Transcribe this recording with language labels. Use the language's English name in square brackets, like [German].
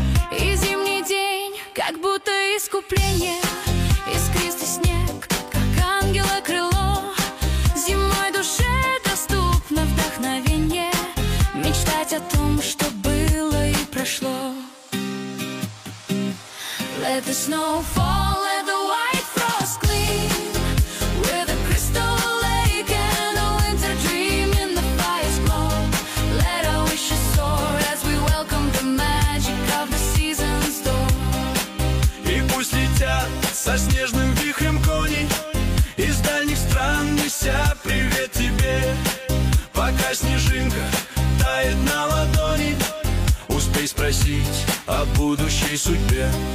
[Russian] И зимний день как будто искупление, искристый снег как ангела крыло, зимой душе доступно вдохновенье мечтать о том, что было и прошло. [English] Let the snow fall, let the white frost gleam, with a crystal lake and a winter dream, in the fire's glow, let our wishes soar as we welcome the magic of the season's door. [Russian] И пусть летят со снежным вихрем кони, из дальних стран неся привет тебе, пока снежинка тает на ладони, успей спросить о будущей судьбе.